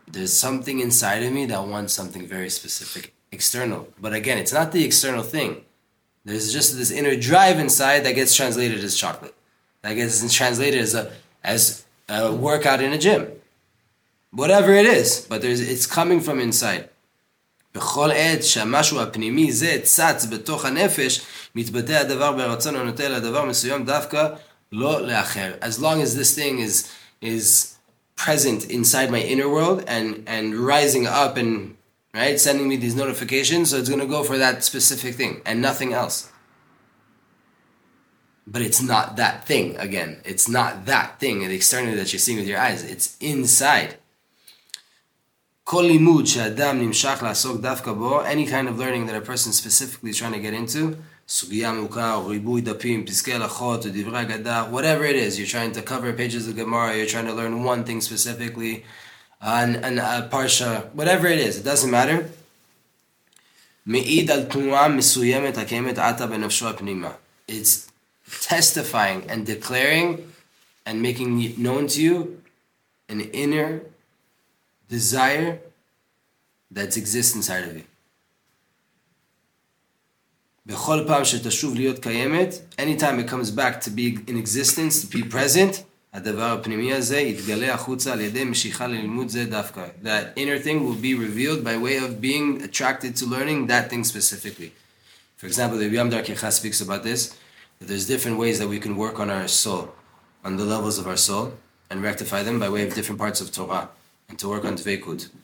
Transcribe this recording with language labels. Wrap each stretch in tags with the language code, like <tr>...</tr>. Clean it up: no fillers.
<en>There's something inside of me that wants something very specific, external. But again, it's not the external thing. There's just this inner drive inside that gets translated as chocolate. That gets translated as a workout in a gym. Whatever it is. But it's coming from inside.</en> <he>בכל עת שהמשהו הפנימי זה צץ בתוך הנפש, מתבטא הדבר ברצון הנוטה לדבר מסוים דווקא לא לאחר.</he> <en>As long as this thing is present inside my inner world and rising up and right sending me these notifications, so it's going to go for that specific thing and nothing else. But it's not that thing, again. It's not that thing, the external that you're seeing with your eyes. It's inside.</en> <he>כל לימוד שאדם נמשך לעסוק דווקא בו,</he> <en>any kind of learning that a person specifically is trying to get into,</en> <he>סוגיה מוכר, ריבוי דפים, פסקי הלכות, דברי אגדה,</he> <en>whatever it is, you're trying to cover pages of Gemara, you're trying to learn one thing specifically, and a parsha, whatever it is, it doesn't matter.</en> <he>מעיד על תנועה מסוימת הקיימת עתה בנפשו הפנימה.</he> <en>It's testifying and declaring and making known to you an inner desire that exists inside of you.</en> <he>בכל פעם שתשוב להיות קיימת,</he> <en>anytime it comes back to be in existence, to be present,</en> <he>הדבר הפנימי הזה יתגלה החוצה על ידי משיכה ללימוד זה דווקא.</he> <en>That inner thing will be revealed by way of being attracted to learning that thing specifically. For example, the Yom Dar Kecha speaks about this, that there's different ways that we can work on our soul, on the levels of our soul, and rectify them by way of different parts of Torah, and to work on Dveikut.</en>